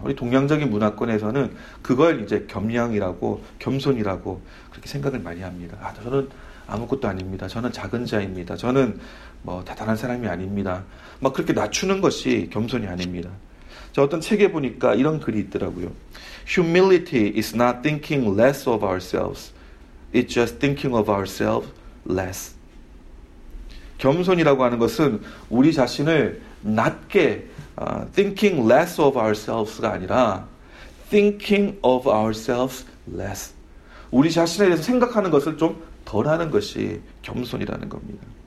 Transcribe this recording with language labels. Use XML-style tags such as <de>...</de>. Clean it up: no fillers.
<ko>우리 동양적인 문화권에서는 그걸 이제 겸양이라고, 겸손이라고 그렇게 생각을 많이 합니다. 아, 저는 아무것도 아닙니다. 저는 작은 자입니다. 저는 뭐 대단한 사람이 아닙니다. 막 그렇게 낮추는 것이 겸손이 아닙니다. 저 어떤 책에 보니까 이런 글이 있더라고요.</ko> <en>Humility is not thinking less of ourselves. It's just thinking of ourselves less.</en> <ko>겸손이라고 하는 것은 우리 자신을 낮게,</ko> <en>thinking less of ourselves</en> <ko>가 아니라</ko> <en>thinking of ourselves less.</en> <ko>우리 자신에 대해서 생각하는 것을 좀 덜하는 것이 겸손이라는 겁니다.</ko>